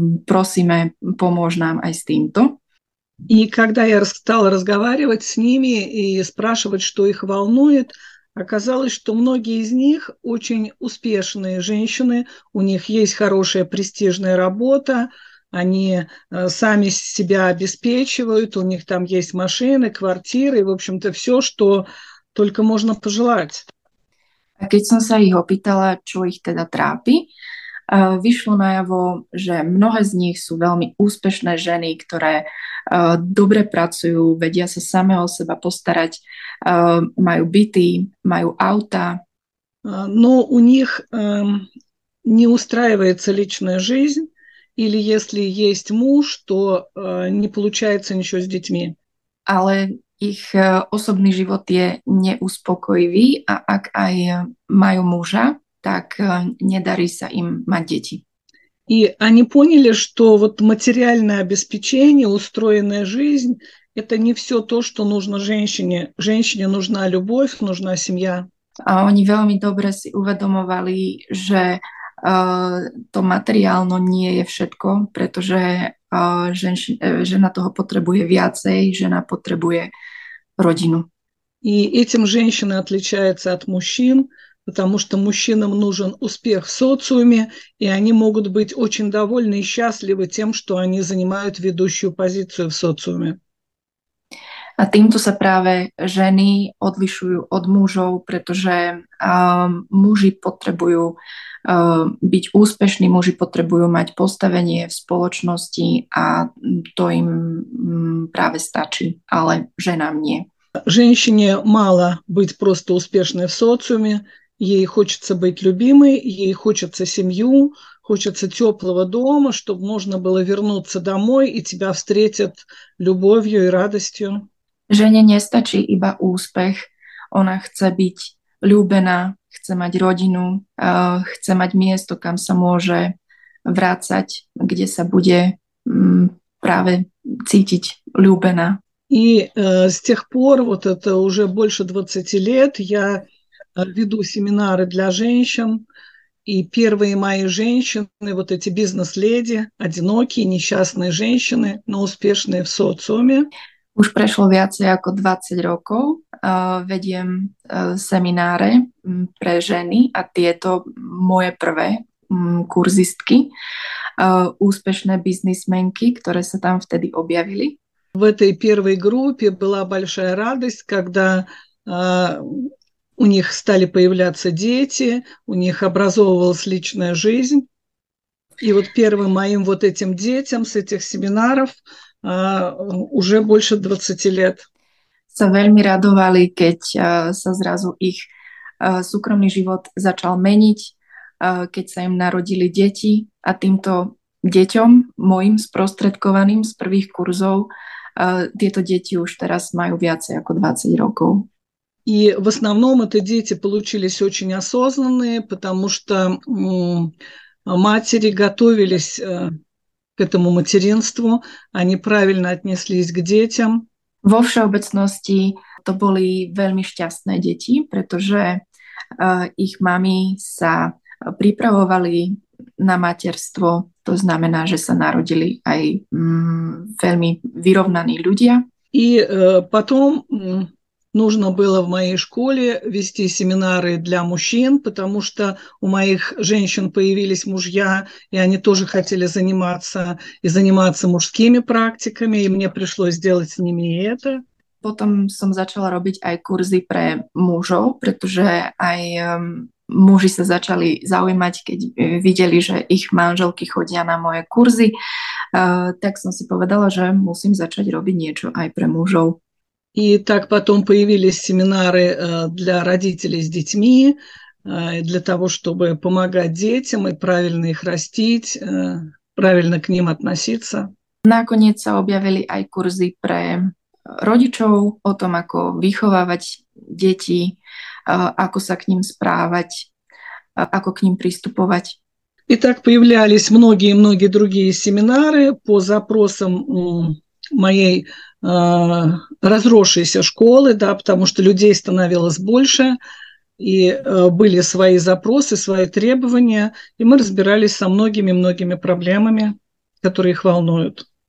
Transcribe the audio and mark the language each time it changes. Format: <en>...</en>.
<sk>Prosíme, pomôž nám aj s týmto.</sk> <ru>И когда я стала разговаривать с ними и спрашивать, что их волнует, оказалось, что многие из них очень успешные женщины, у них есть хорошая престижная работа, они сами себя обеспечивают, у них там есть машины, квартиры, и, в общем-то, все, что только можно пожелать.</ru> <sk>A keď som sa ich opýtala, čo ich teda trápi, vyšlo najavo, že mnohé z nich sú veľmi úspešné ženy, ktoré dobre pracujú, vedia sa same o seba postarať, majú byty, majú auta.</sk> <ru>Но у них не устраивается личная жизнь, или если есть муж, то не получается ничего с детьми.</ru> <sk>Ale ich osobný život je neuspokojivý a ak aj majú muža, tak nedarí sa im mať deti.</sk> <ru>И они поняли, что вот материальное обеспечение, устроенная жизнь, это не все то, что нужно женщине. Женщине нужна любовь, нужна семья.</ru> <sk>A oni veľmi dobre si uvedomovali, že to materiálno nie je všetko, pretože žena toho potrebuje viacej, žena potrebuje rodinu.</sk> <ru>И этим женщина отличается от мужчин, потому что мужчинам нужен успех в социуме, и они могут быть очень довольны и счастливы тем, что они занимают ведущую позицию в социуме.</ru> <sk>A týmto sa práve ženy odlišujú od mužov, pretože muži potrebujú byť úspešní, muži potrebujú mať postavenie v spoločnosti a to im práve stačí, ale ženám nie.</sk> <ru>Женщине мало быть просто успешной в социуме, ей хочется быть любимой, ей хочется семью, хочется теплого дома, чтобы можно было вернуться домой и тебя встретят любовью и радостью.</ru> <sk>Žene nestačí iba úspech, ona chce byť ľúbená, chce mať rodinu, chce mať miesto, kam sa môže vrácať, kde sa bude práve cítiť ľúbená.</sk> <ru>И с тех пор, вот это уже больше 20 лет, я веду семинары для женщин, и первые мои женщины, вот эти бизнес-леди, одинокие, несчастные женщины, но успешные в социуме.</ru> <sk>Už prešlo viacej ako 20 rokov, vediem semináre pre ženy a tieto moje prvé kurzistky, úspešné biznismenky, ktoré sa tam vtedy objavili.</sk> <ru>В этой первой группе была большая радость, когда у них стали появляться дети, у них образовывалась личная жизнь. И вот первым моим вот этим детям с этих семинаров уже больше 20 лет.</ru> <sk>Sa veľmi radovali, keď sa zrazu ich súkromný život začal meniť, keď sa im narodili deti a týmto deťom, mojim sprostredkovaným z prvých kurzov, tieto deti už teraz majú viacej ako 20 rokov.</sk> <ru>И в основном это дети получились очень осознанные, потому что матери готовились к этому материнству, они правильно отнеслись к детям.</ru> <sk>Vo všeobecnosti to boli veľmi šťastné deti, pretože ich mami sa pripravovali na materstvo. To znamená, že sa narodili aj veľmi vyrovnaní ľudia.</sk> <ru>И потом нужно было в моей школе вести семинары для мужчин, потому что у моих женщин появились мужья, и они тоже хотели заниматься и заниматься мужскими практиками, и мне пришлось сделать с ними и это.</ru> <sk>Potom som začala robiť aj kurzy pre mužov, pretože aj muži sa začali zaujímať, keď videli, že ich manželky chodia na moje kurzy, tak som si povedala, že musím začať robiť niečo aj pre mužov.</sk> <ru>И так потом появились семинары для родителей с детьми, для того, чтобы помогать детям и правильно их растить, правильно к ним относиться.</ru> <sk>Nakoniec sa objavili aj kurzy pre rodičov o tom, ako vychovávať deti, ako sa k ním správať, ako k ním pristupovať.</sk> <ru>И так появлялись многие-многие другие семинары по запросам моей разросшейся школы, да, потому что людей становилось больше, и были свои запросы, свои требования, и мы разбирались со многими-многими проблемами, которые их волнуют.</ru>